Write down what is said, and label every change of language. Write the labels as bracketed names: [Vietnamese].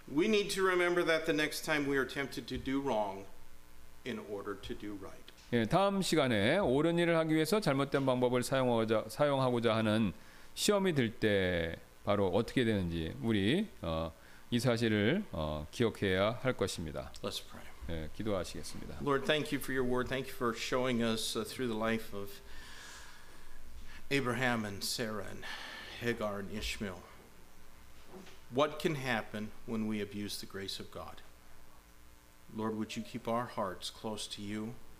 [English] We need to remember that the next time we are tempted to do wrong in order to do right. [Korean] 예, 다음 시간에 옳은 일을 하기 위해서 잘못된 방법을 사용하고자 하는 시험이 들 때 바로 어떻게 되는지 우리 이 사실을 기억해야 할 것입니다. [English] Let's pray. [Korean] 예, 기도하시겠습니다. [English] Lord, thank you for your word. Thank you for showing us through the life of Abraham and Sarah and Hagar and Ishmael. What can happen when we abuse the grace of God? Lord, would you keep our hearts close to you?